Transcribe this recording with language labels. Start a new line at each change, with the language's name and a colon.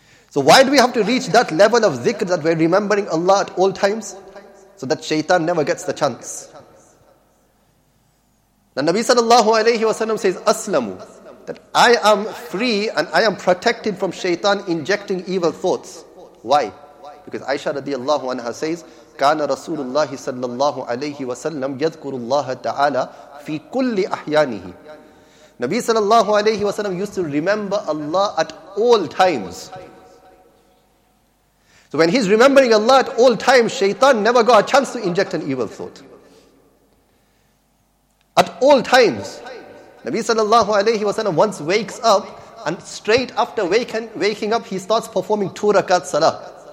English: So why do we have to reach that level of dhikr that we're remembering Allah at all times? So that shaitan never gets the chance. The Nabi sallallahu alayhi wa sallam says, aslamu, that I am free and I am protected from shaitan injecting evil thoughts. Why? Because Aisha radiallahu anha says,
Arabic: كان رسول الله صلى الله عليه وسلم يذكر الله تعالى في كل أحيانه.
English: Nabi صلى الله عليه وسلم used to remember Allah at all times. So when he's remembering Allah at all times, shaitan never got a chance to inject an evil thought. At all times, Nabi صلى الله عليه وسلم once wakes up, and straight after waking up, he starts performing two rakat salah.